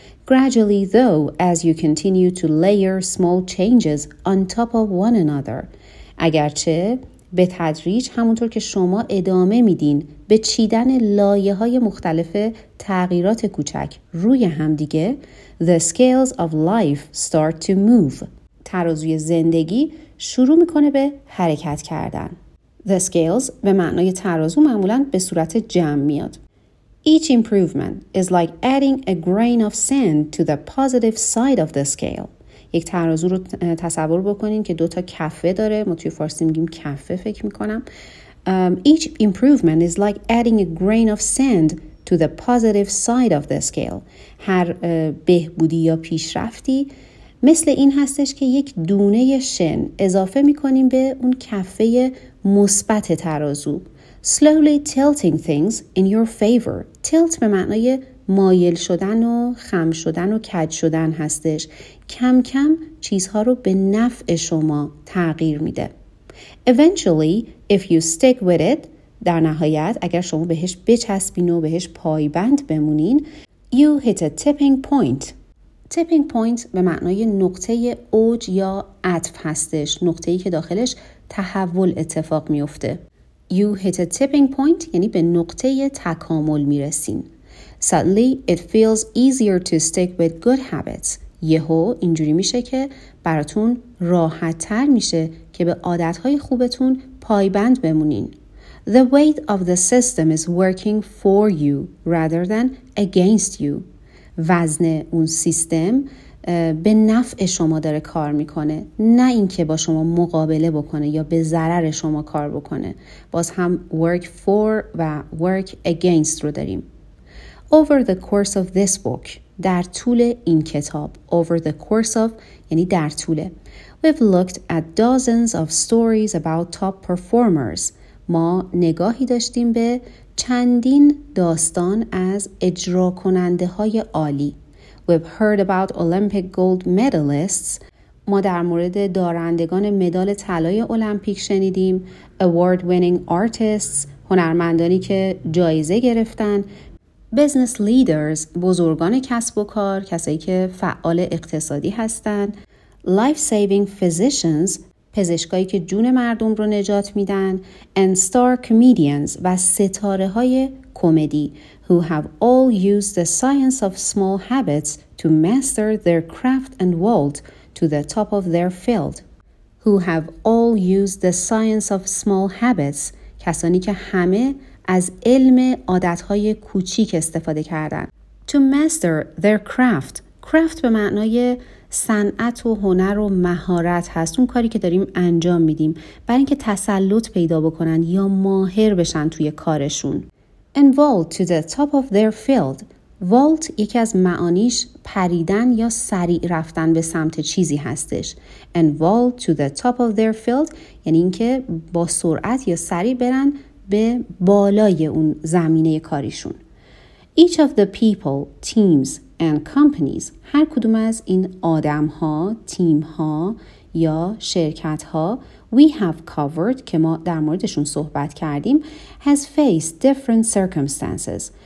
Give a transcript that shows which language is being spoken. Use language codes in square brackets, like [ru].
[en] Gradually though, as you continue to layer small changes on top of one another. [fa] اگرچه به تدریج همونطور که شما ادامه میدین به چیدن لایه های مختلف تغییرات کوچک روی هم دیگه, [en] the scales of life start to move. [fa] ترازوی زندگی شروع میکنه به حرکت کردن. The scales به معنای ترازو معمولاً به صورت جمع میاد. [en] Each improvement is like adding a grain of sand to the positive side of the scale. [fa] یک ترازو رو تصور بکنین که دوتا کفه داره. ما توی فارسی میگیم کفه فکر میکنم. [en] Each improvement is like adding a grain of sand to the positive side of the scale. [fa] هر بهبودی یا پیشرفتی مثل این هستش که یک دونه شن اضافه میکنیم به اون کفه مثبت ترازو. [en] Slowly tilting things in your favor. [fa] Tilt به معنای مایل شدن و خم شدن و کج شدن هستش. کم کم چیزها رو به نفع شما تغییر میده. [en] Eventually, if you stick with it, [fa] در نهایت اگر شما بهش بچسبین و بهش پایبند بمونین, [en] you hit a tipping point. [fa] Tipping point به معنای نقطه اوج یا عطف هستش. نقطه‌ای که داخلش تحول اتفاق میفته. [en] You hit a tipping point [fa] یعنی به نقطه تکامل میرسین. [en] Suddenly it feels easier to stick with good habits. [fa] یهو اینجوری میشه که براتون راحت تر میشه که به عادتهای خوبتون پایبند بمونین. [en] The weight of the system is working for you rather than against you. [fa] وزن اون سیستم به نفع شما داره کار میکنه, نه اینکه با شما مقابله بکنه یا به ضرر شما کار بکنه. باز هم work for و work against رو داریم. [en] Over the course of this book, [fa] در طول این کتاب, [en] over the course of [fa] یعنی در طول, [en] we've looked at dozens of stories about top performers. [fa] ما نگاهی داشتیم به چندین داستان از اجرا کننده های عالی. [en] We've heard about Olympic gold medalists. [fa] ما در مورد دارندگان مدال طلای المپیک شنیدیم. [en] Award winning artists, [fa] هنرمندانی که جایزه گرفتن. [en] Business leaders, [fa] بزرگان کسب و کار, کسایی که فعال اقتصادی هستن. [en] Life saving physicians, [fa] پزشکایی که جون مردم رو نجات میدن. [en] And star comedians, [fa] و ستاره های کمدی, [en] who have all used the science of small habits to master their craft and vault to the top of their field. Who have all used the science of small habits, [fa] کسانی که همه از علم عادتهای کوچیک استفاده کردن. [en] To master their craft. [fa] Craft به معنای صنعت و هنر و مهارت هست, اون کاری که داریم انجام میدیم, برای اینکه تسلط پیدا بکنن یا ماهر بشن توی کارشون. [en] And vault to the top of their field. [fa] Vault یکی از معانیش پریدن یا سریع رفتن به سمت چیزی هستش. [en] And vault to the top of their field [fa] یعنی اینکه با سرعت یا سریع برن به بالای اون زمینه کاریشون. [en] Each of the people, teams and companies, [fa] هر کدوم از این آدم ها, تیم ها یا شرکت ها, [en] we have covered, [fa] که ما در موردشون صحبت کردیم, [en] has faced different circumstances,